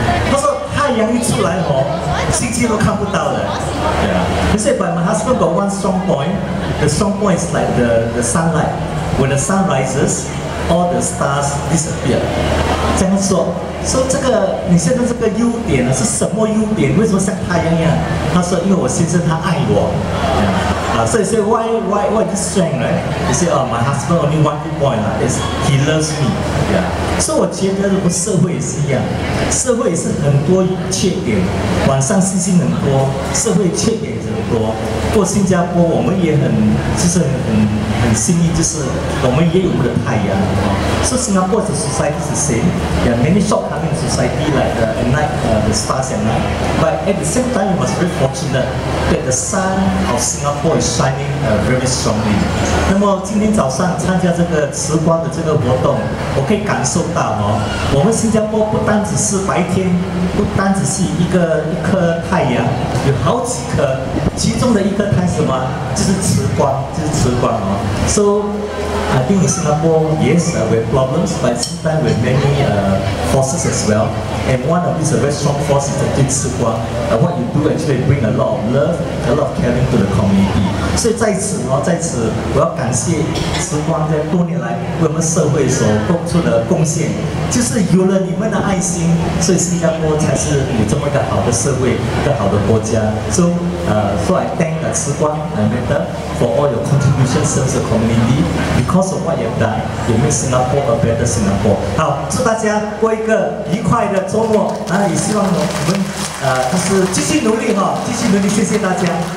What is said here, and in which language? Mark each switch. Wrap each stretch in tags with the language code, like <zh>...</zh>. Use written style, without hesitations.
<zh>他说太阳一出来哦，星星都看不到了。</zh> <en>Yeah. He said, but my husband got one strong point. The strong point is like the sunlight. When the sun rises,all the stars disappear.</en> <zh>这样说，说这个你现在这个优点是什么优点？为什么像太阳一样？他说，因为我先生他爱我。所以</zh> <en>say why this strength, right? He said, my husband only one good point, is he loves me. Yeah.</en> <zh>所以我觉得社会也是一样，社会也是很多缺点，晚上星星很多，社会缺点很多。不过新加坡我们也很幸运，就是我们也有我们的太阳。</zh> <en>So Singapore's society is the same. There are many shortcomings in society like the stars at night. But at the same time, you must be fortunate that the sun of Singapore is shining very strongly.</en> <zh>那么今天早上参加这个慈光的这个活动，我可以感受到哦，我们新加坡不单只是白天，不单只是一颗太阳，有好几颗，其中的一颗太什么？就是慈光哦。</zh> <en>So I think in Singapore, yes, we have problems, but at the same time, we have many forces as well. And one of these very strong forces is the Tsi Kwa. And what you do actually bring a lot of love, a lot of caring to the community.</en> <zh>So, 在此，我要感谢慈光在多年来为我们社会所做出的贡献。就是有了你们的爱心，所以新加坡才是有这么一个好的社会，一个好的国家。</zh> <en>So I thank the 慈光 Amanda for all your contribution service to community. Because of what you've done, you make Singapore a better Singapore.</en> <zh>好，祝大家过一个愉快的周末，然后也希望我们就是继续努力，谢谢大家。</zh>